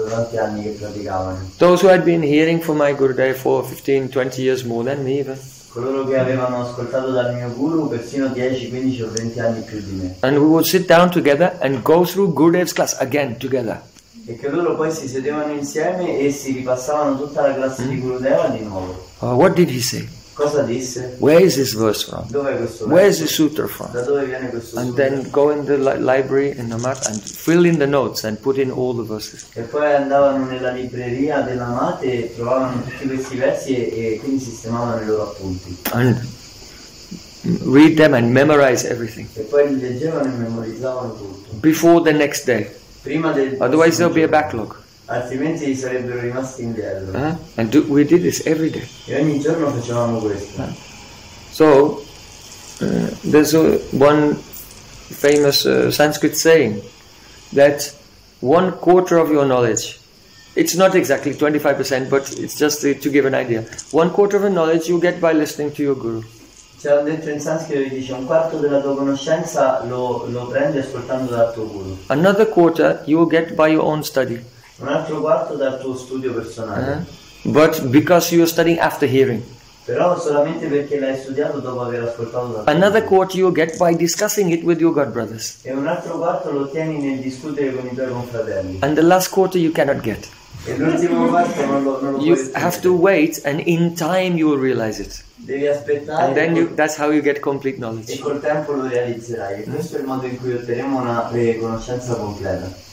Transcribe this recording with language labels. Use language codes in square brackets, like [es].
[en] Those who had been hearing from my Gurudev for 15, 20 years more than me even. [it] Coloro che avevano ascoltato dal mio guru persino 10, 15 o 20 anni più di me. [en] And we would sit down together and go through Gurudev's class again together. [it] E che loro poi si sedevano insieme e si ripassavano tutta la classe di Gurudeva di nuovo. [en] What did he say? [it] Cosa disse? [en] Where is this verse from? [it] Dov'è questo verso? [en] Where is the sutra from? [it] Da dove viene questo sutra? [en] And then go in the library in the mat and fill in the notes and put in all the verses. [it] E poi andavano nella libreria della mat e trovavano tutti questi versi e quindi sistemavano i loro appunti. [en] And read them and memorize everything. [it] E poi li leggevano e memorizzavano tutto. [en] Before the next day. [it] Prima del. [en] Otherwise there'll be a backlog. [it] Altrimenti sarebbero rimasti indietro. [en] And we did this every day. [it] E ogni giorno facevamo questo. [en] So, there's one famous Sanskrit saying that one quarter of your knowledge, it's not exactly 25%, but it's just to give an idea. One quarter of the knowledge you get by listening to your guru. [it] C'è un detto in sanscrito che dice un quarto della tua conoscenza lo prendi ascoltando dal tuo guru. [en] Another quarter you will get by your own study. [it] Un altro quarto dal tuo studio personale. [en] But because you are studying after hearing. [it] Però solamente perché l'hai studiato dopo aver ascoltato da [en] Another quarter you get by discussing it with your god brothers. [it] E un altro quarto lo ottieni nel discutere con i tuoi confratelli. [en] And the last quarter you cannot get. [it] E l'ultimo quarto non lo puoi ottenere. [en] You have to wait, and in time you will realize it. [it] Devi aspettare. [en] And then that's how you get complete knowledge. [it] E col tempo lo realizzerai. E questo è il modo in cui otterremo una conoscenza completa.